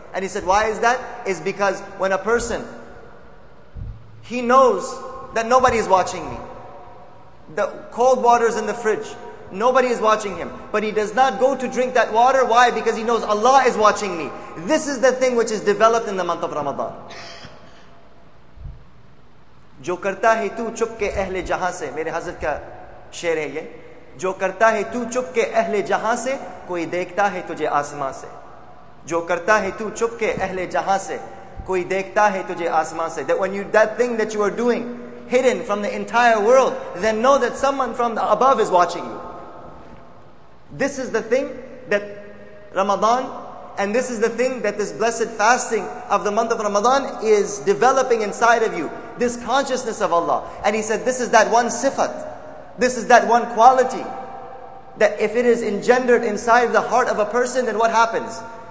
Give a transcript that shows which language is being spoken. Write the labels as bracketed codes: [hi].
[en] And he said, why is that? It's because when a person, he knows that nobody is watching me. The cold water is in the fridge. Nobody is watching him. But he does not go to drink that water. Why? Because he knows Allah is watching me. This is the thing which is developed in the month of Ramadan. [ur] جو کرتا ہے تو چپ کے اہل جہاں سے میرے حضرت کا شعر ہے یہ جو کرتا ہے تو چپ کے اہل جہاں سے کوئی دیکھتا ہے تجھے آسمان سے جو کرتا ہے تو چپ کے اہل جہاں سے کوئی دیکھتا ہے تجھے آسمان سے [en] that thing that you are doing hidden from the entire world, then know that someone from the above is watching you. This is the thing that Ramadan, and this is the thing that this blessed fasting of the month of Ramadan is developing inside of you. This consciousness of Allah. And he said, this is that one sifat This is that one quality. That if it is engendered inside the heart of a person, then what happens?